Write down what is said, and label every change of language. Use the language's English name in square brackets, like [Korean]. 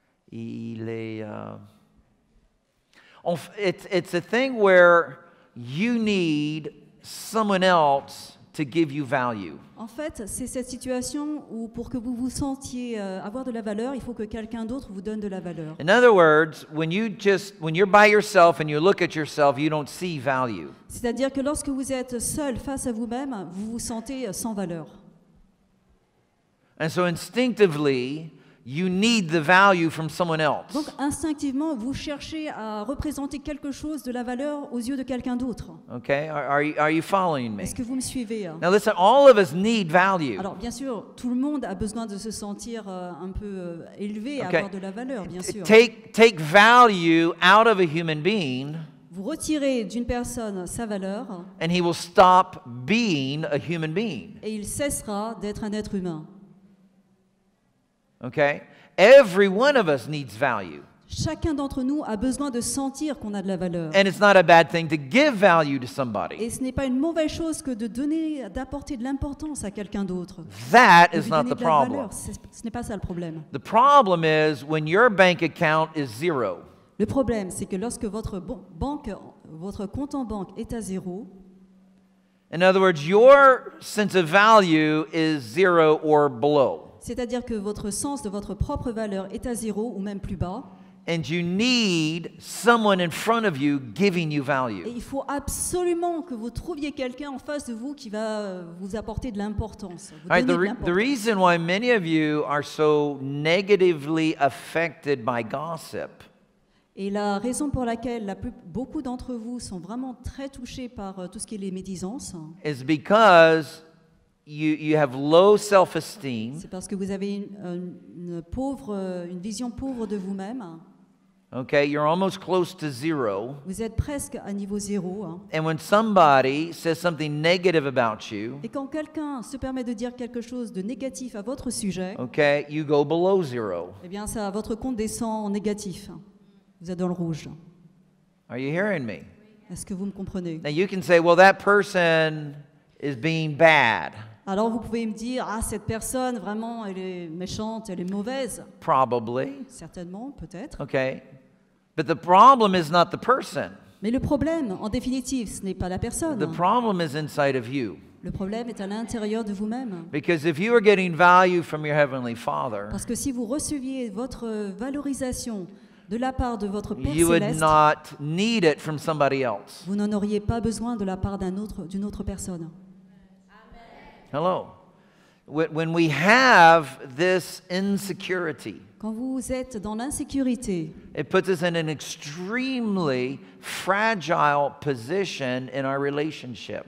[French] Il est [English] it's a thing where you need someone else to give you value. [French] En fait, c'est cette situation où pour que vous vous sentiez avoir de la valeur, il faut que quelqu'un d'autre vous donne de la valeur. [English] In other words, when you're by yourself and you look at yourself, you don't see value. [French] C'est-à-dire que lorsque vous êtes seul face à vous-même, vous vous sentez sans valeur. [English] And so instinctively, you need the value from someone else. [French] Donc instinctivement, vous cherchez à représenter quelque chose de la valeur aux yeux de quelqu'un d'autre. [English] Okay, are you following me? [French] Est-ce que vous me suivez? [English] Now listen, all of us need value. [French] Alors bien sûr, tout le monde a besoin de se sentir un peu élevé, okay. avoir de la valeur, bien sûr. [English] Take value out of a human being. [French] Vous retirez d'une personne sa valeur. [English] And he will stop being a human being. [French] Et il cessera d'être un être humain. [English] Okay, every one of us needs value. [French] Chacun d'entre nous a besoin de sentir qu'on a de la valeur. [English] And it's not a bad thing to give value to somebody. [French] Et ce n'est pas une mauvaise chose que de donner, d'apporter de l'importance à quelqu'un d'autre. [English] That is not the problem. [French] Ce n'est pas ça le problème. [English] The problem is when your bank account is zero. [French] Le problème, c'est que lorsque votre compte en banque est à zéro. [English] In other words, your sense of value is zero or below. [French] C'est-à-dire que votre sens de votre propre valeur est à zéro ou même plus bas. [English] And you need someone in front of you giving you value. [French] Et il faut absolument que vous trouviez quelqu'un en face de vous qui va vous apporter de l'importance. Vous donner de l'importance. [English] The reason why many of you are so negatively affected by gossip. [French] Et la raison pour laquelle beaucoup d'entre vous sont vraiment très touchés par tout ce qui est les médisances. [English] Is because You have low self-esteem. [French] C'est parce que vous avez une vision pauvre de vous-même. [English] Okay, you're almost close to zero. [French] Vous êtes presque à niveau zéro. Hein. [English] And when somebody says something negative about you, [French] et quand quelqu'un se permet de dire quelque chose de négatif à votre sujet, [English] okay, you go below zero. [French] Eh bien, ça, votre compte descend en négatif. Vous êtes dans le rouge. [English] Are you hearing me? [French] Est-ce que vous me comprenez? [English] Now you can say, well, that person is being bad. [French] Alors vous pouvez me dire, ah, cette personne vraiment, elle est méchante, elle est mauvaise. [English] Probably. [French] Certainement, peut-être. [English] Okay. But the problem is not the person. [French] Mais le problème, en définitive, ce n'est pas la personne. [English] The problem is inside of you. [French] Le problème est à l'intérieur de vous-même. [English] Because if you are getting value from your heavenly Father, [French] parce que si vous receviez votre valorisation de la part de votre Père céleste, [English] you would not need it from somebody else. [French] Vous n'en auriez pas besoin de la part d'une autre personne. [English] Amen. Hello. When we have this insecurity, [French] quand vous êtes dans l'insécurité, [English] it puts us in an extremely fragile position in our relationships.